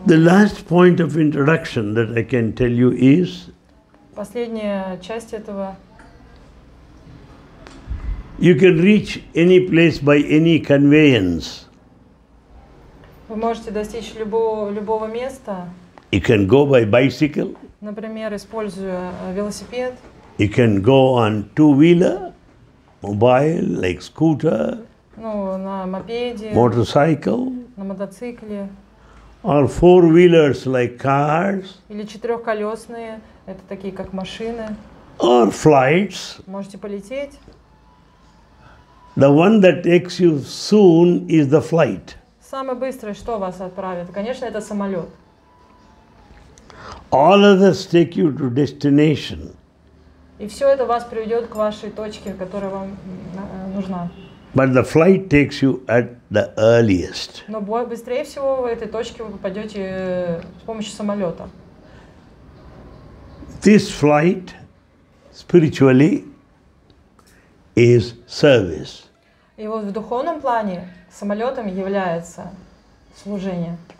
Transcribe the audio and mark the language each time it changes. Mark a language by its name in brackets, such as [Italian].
[English] The last point of introduction that I can tell you is. [Russian] Последняя часть этого. [English] You can reach any place by any conveyance. [Russian] Вы можете достичь любого места. [English] You can go by bicycle. [Russian] Например, используя велосипед. [English] You can go on two-wheeler, mobile, like scooter. [Russian] Ну, на мопеде. [English] Motorcycle. [Russian] На мотоцикле. [English] Or four-wheelers, like cars. [Russian] Или четырехколесные, это такие как машины. [English] Or flights. [Russian] Можете полететь. [English] The one that takes you soon is the flight. [Russian] Самое быстрое, что вас отправит, конечно, это самолет. [English] All others take you to destination. [Russian] И все это вас приведет к вашей точке, которая вам нужна. [English] But the flight takes you at the earliest. [Russian] Но быстрее всего в этой точке вы попадете с помощью самолета. [English] This flight, spiritually, is service. [Russian] И вот в духовном плане самолетом является служение.